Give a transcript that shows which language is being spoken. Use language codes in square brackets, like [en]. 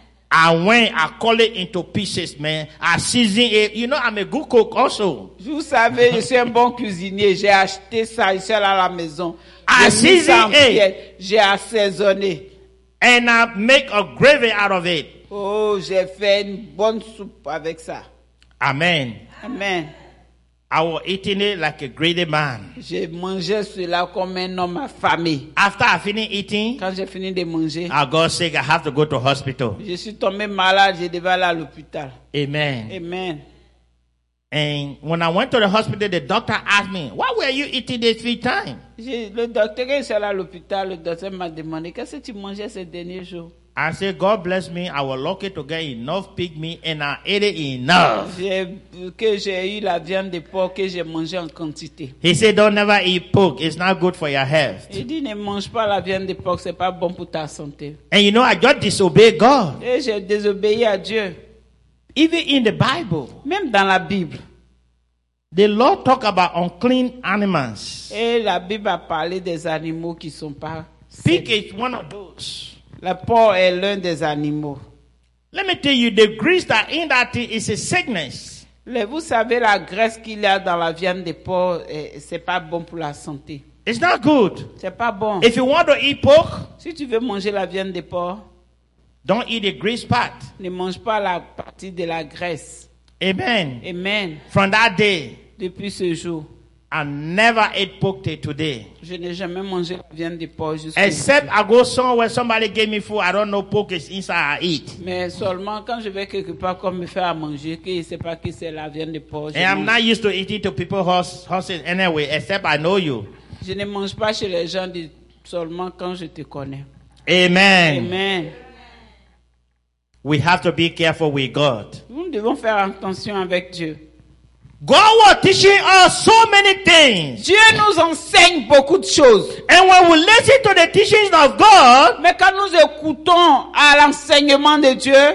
[en] I went, I call it into pieces, man. I season it. You know, I'm a good cook also. [fr] Vous savez, je suis un bon cuisinier. J'ai acheté ça ici à la maison. [en] I season it. [fr] J'ai assaisonné. [en] And I make a gravy out of it. [fr] Oh, j'ai fait une bonne soupe avec ça. [en] Amen. [fr] Amen. [en] I was eating it like a greedy man. [fr] J'ai mangé cela comme un homme affamé. [en] After I finished eating, [fr] quand j'ai fini de manger, [en] I got sick. I have to go to hospital. [fr] Je suis tombé malade. Je devais aller à l'hôpital. [en] Amen. [fr] Amen. [en] And when I went to the hospital, the doctor asked me, why were you eating this 3 times? [fr] Le docteur est allé à l'hôpital, le docteur m'a demandé, qu'est-ce que tu mangeais ces derniers jours? [en] I said, God bless me, I was lucky to get enough pig meat and I ate it enough. [fr] J'ai eu la viande de porc que j'ai mangé en quantité. [en] He said, don't never eat pork, it's not good for your health. [fr] Il dit, ne mange pas la viande de porc, c'est pas bon pour ta santé. [en] And you know, I just disobeyed God. [fr] Et j'ai désobéi à Dieu. [en] Even in the Bible, [fr] même dans la Bible, [en] the Lord talk about unclean animals. [fr] Et la Bible a parlé des animaux qui sont pas. [en] Pig is one of those. [fr] Le porc est l'un des animaux. [en] Let me tell you, the grease that in that thing is a sickness. [fr] Vous savez la graisse qu'il y a dans la viande de porc, c'est pas bon pour la santé. [en] It's not good. [fr] C'est pas bon. [en] If you want to eat pork, [fr] si tu veux manger la viande de porc. [en] Don't eat the grease part. [fr] Ne mange pas la partie de la graisse. [en] Amen. [fr] Amen. [en] From that day. [fr] Depuis ce jour. [en] I never ate pork till today. [fr] Je n'ai jamais mangé la viande de porc jusqu'à. [en] Except I go somewhere somebody gave me food. I don't know pork is inside I eat. [fr] Mais seulement quand je vais quelque part comme me faire à manger, que je sais pas que c'est la viande de porc. [en] And I'm not used to eating to people's houses anyway. Except I know you. [fr] Je ne mange pas chez les gens seulement quand je te connais. [en] Amen. [fr] Amen. [en] We have to be careful with God. [fr] Nous devons faire attention avec Dieu. [en] God was teaching us so many things. [fr] Dieu nous enseigne beaucoup de choses. [en] And when we listen to the teachings of God, [fr] mais quand nous écoutons à l'enseignement de Dieu,